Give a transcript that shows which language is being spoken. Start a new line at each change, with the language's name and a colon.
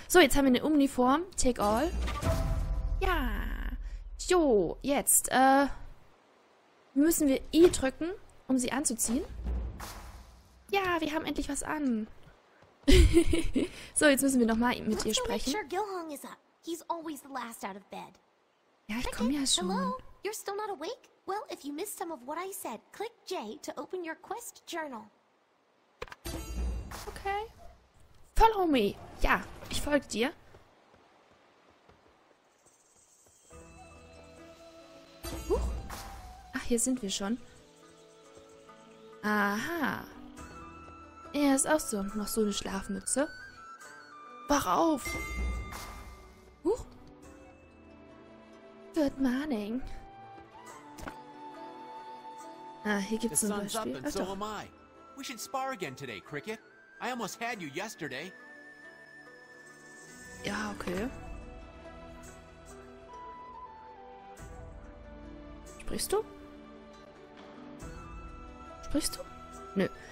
German: So, jetzt haben wir eine Uniform.
English: Take all.
German: Ja. So, jetzt, müssen wir I drücken, um sie anzuziehen. Ja, wir haben endlich was an. So, jetzt müssen wir nochmal mit ihr sprechen.
English: Sure Gilhong is up. He's always the last out of bed.
German: Ja, ich komme ja schon.
English: Hello? You're still not awake? Well, if you missed some of what I said, click J to open your quest journal. Okay. Follow me.
German: Ja, ich folge dir. Huch. Ach, hier sind wir schon. Aha. Er ist auch so. Noch so eine Schlafmütze. Wach auf! Huch!
English: Good morning.
German: Ah, hier gibt's ein Beispiel. Ach, doch.
English: We should spar again today, Cricket. I almost had you yesterday.
German: Ja, okay. Sprichst du? Sprichst du? Nö.